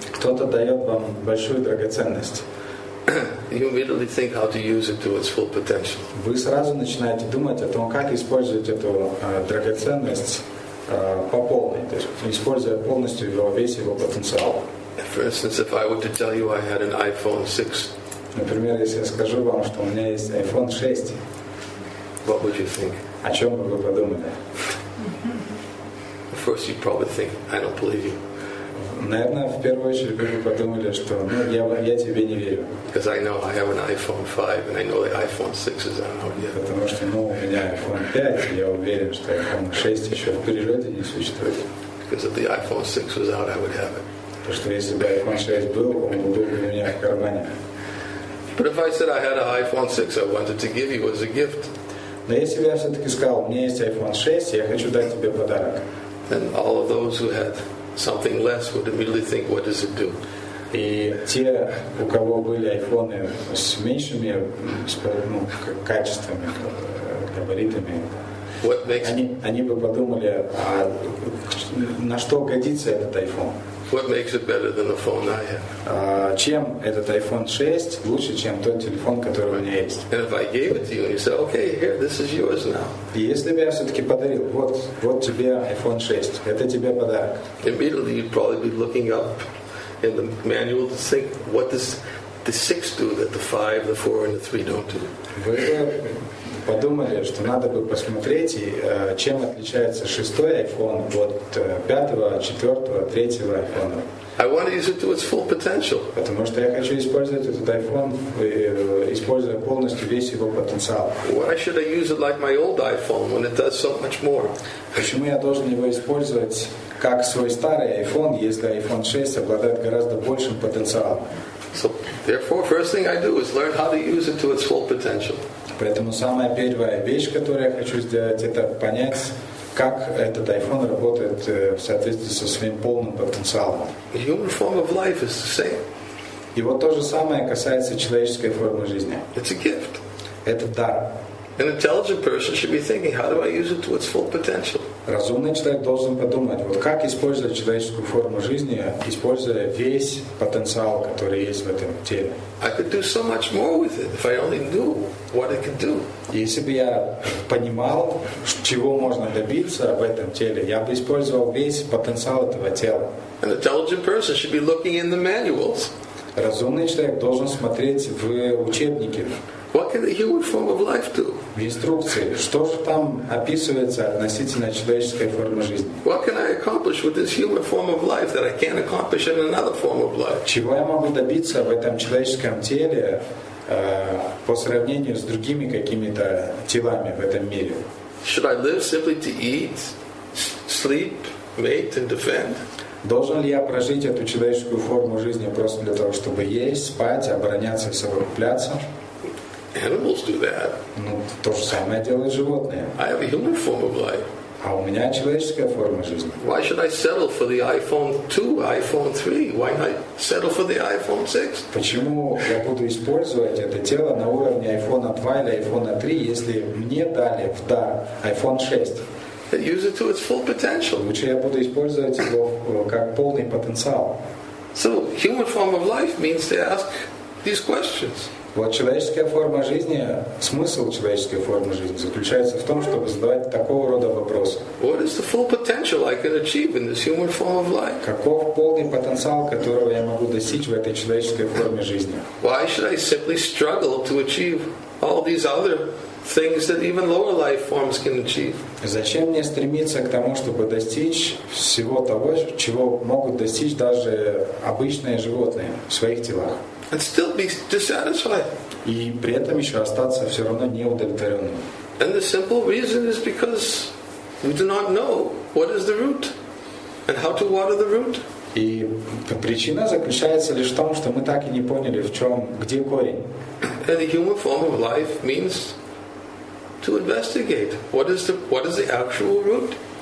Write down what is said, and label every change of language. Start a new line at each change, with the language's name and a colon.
Russian: Кто-то дает вам большую драгоценность.
English: You immediately think how to use it to its full potential.
Russian: Вы сразу начинаете думать о том, как использовать эту драгоценность по полной, то есть используя полностью его, весь его потенциал.
English: For instance, if I were to tell you I had an iPhone 6.
Russian: Например, если я скажу вам, что у меня есть iPhone 6.
English: What would you think?
Russian: О чем бы вы подумали?
English: First, you probably think, "I don't believe you."
Russian: Наверное, в первую очередь вы подумали, что, ну, я тебе не верю.
English: Because I know I have an iPhone 5, and I know the iPhone 6 is out yet.
Russian: Потому что, ну, у меня iPhone 5, я уверен, что iPhone 6 еще в природе не существует.
English: Because if the iPhone 6 was out, I would have it.
Russian: Потому что если бы iPhone 6 был, он был бы у меня в кармане.
English: But if I said I had an iPhone 6, I wanted to give you as a gift.
Russian: Но если бы я все-таки сказал, у меня есть iPhone 6, я хочу дать тебе подарок.
English: And all of those who had something less would immediately think, "What does it do?"
Russian: И те, у кого были айфоны с меньшими качествами, габаритами, они бы подумали, а на что годится этот айфон?
English: What makes it better than the phone I have?
Russian: Чем этот iPhone 6 лучше, чем тот телефон, который у меня есть?
English: And if I gave it to you, you said, "Okay, here, this is yours now."
Russian: И если бы я все-таки подарил, вот тебе iPhone 6, это тебе подарок.
English: Immediately, you'd probably be looking up in the manual to think, "What does the 6 do that the 5, the 4, and the 3 don't do?"
Russian: Подумали, что надо бы посмотреть, чем отличается шестой iPhone от пятого, четвертого, третьего iPhone.
English: I want to use it to its full potential.
Russian: Потому что я хочу использовать этот iPhone, используя полностью весь его потенциал.
English: Why should I use it like my old iPhone when it does so much more?
Russian: Почему я должен его использовать как свой старый iPhone, если iPhone 6 обладает гораздо большим потенциалом?
English: So, therefore, first thing I do is learn how to use it to its full potential.
Russian: Поэтому самая первая вещь, которую я хочу сделать, это понять, как этот iPhone работает в соответствии со своим полным потенциалом.
English: Human form of life is the same.
Russian: И вот то же самое касается человеческой формы жизни.
English: It's a gift.
Russian: Это дар.
English: An intelligent person should be thinking, how do I use it to its full potential?
Russian: Разумный человек должен подумать, вот как использовать человеческую форму жизни, используя весь потенциал, который есть в этом теле.
English: I could do so much more with it if I only knew what it could do.
Russian: Если бы я понимал, чего можно добиться в этом теле, я бы использовал весь потенциал этого тела.
English: An intelligent person should be looking in the manuals.
Russian: Разумный человек должен смотреть в учебники.
English: What can the human form of life do?
Russian: В инструкции, что же там описывается относительно человеческой формы жизни?
English: What can I accomplish with this human form of life that I can't accomplish in another form of life?
Russian: Чего я могу добиться в этом человеческом теле, по сравнению с другими какими-то телами в этом мире?
English: Should I live simply to eat, sleep, mate and defend?
Russian: Должен ли я прожить эту человеческую форму жизни просто для того, чтобы есть, спать, обороняться и совокупляться?
English: Animals do that.
Russian: Ну, то же самое делают животные.
English: I have a human form of life.
Russian: А у меня человеческая форма жизни.
English: Why should I settle for the iPhone 2, iPhone 3? Why not settle for the iPhone 6?
Russian: Почему я буду использовать это тело на уровне iPhone 2 или iPhone 3, если мне дали в дар iPhone 6?
English: And use it to its full potential.
Russian: Лучше я буду использовать его как полный потенциал.
English: So human form of life means to ask these questions.
Russian: Вот человеческая форма жизни, смысл человеческой формы жизни заключается в том, чтобы задавать такого рода вопросы.
English: What is the full potential I can achieve in this human form of life?
Russian: Каков полный потенциал, которого я могу достичь в этой человеческой форме жизни?
English: Why should I simply struggle to achieve all these other things that even lower life forms can achieve?
Russian: Зачем мне стремиться к тому, чтобы достичь всего того, чего могут достичь даже обычные животные в своих телах?
English: And still be dissatisfied.
Russian: И при этом еще остаться все равно неудовлетворенным.
English: And the simple reason is because we do not know what is the root and how to water the root.
Russian: И причина заключается лишь в том, что мы так и не поняли, в чем, где корень.
English: And the human form of life means to investigate what is the actual root.